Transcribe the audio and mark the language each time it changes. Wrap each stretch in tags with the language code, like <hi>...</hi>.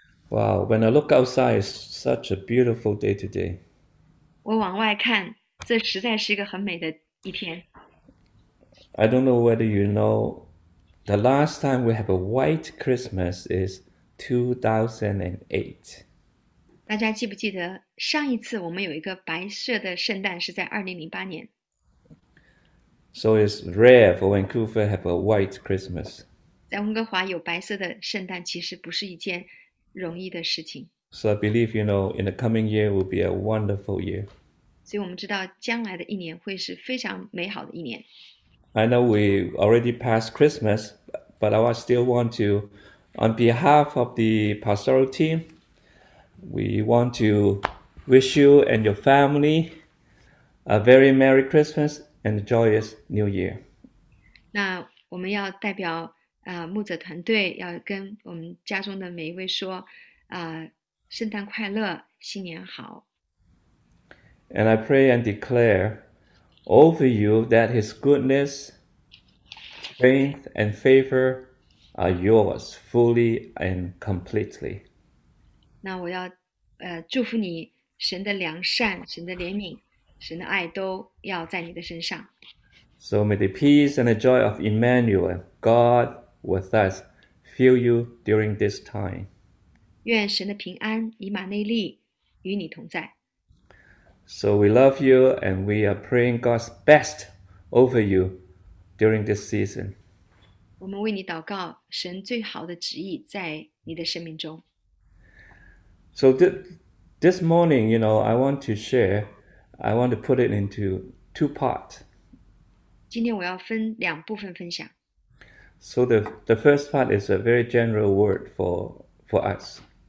<en>Wow, when I look outside, it's such a beautiful day today.</en> <zh>我往外看，这实在是一个很美的一天。</zh> <en>I don't know whether you know, the last time we have a white Christmas is 2008.</en> <zh>大家记不记得上一次我们有一个白色的圣诞是在2008年？</zh> <en>So it's rare for Vancouver to have a white Christmas.</en> <zh>在温哥华有白色的圣诞，其实不是一件容易的事情。</zh> <en>So I believe, in the coming year will be a wonderful year.</en> <zh>所以我们知道将来的一年会是非常美好的一年。</zh> <en>I know we already passed Christmas, but I still want to, on behalf of the pastoral team, we want to wish you and your family a very Merry Christmas and a joyous New Year.</en> <zh>那我们要代表。牧者团队要跟我们家中的每一位说，圣诞快乐，新年好。</zh> <en>And I pray and declare over you that His goodness, strength, and favor are yours fully and completely.</en> <zh>那我要祝福你，神的良善、神的怜悯、神的爱都要在你的身上。</zh> <en>So may the peace and the joy of Emmanuel, God with us, fill you during this time.</en> <zh>愿神的平安以马内利与你同在。</zh> <en>So we love you and we are praying God's best over you during this season.</en> <zh>我们为你祷告，神最好的旨意在你的生命中。</zh> <en>So this morning, I want to share, I want to put it into two parts.</en> <zh>今天我要分两部分分享。</zh> <en>So the first part is a very general word for us.</en>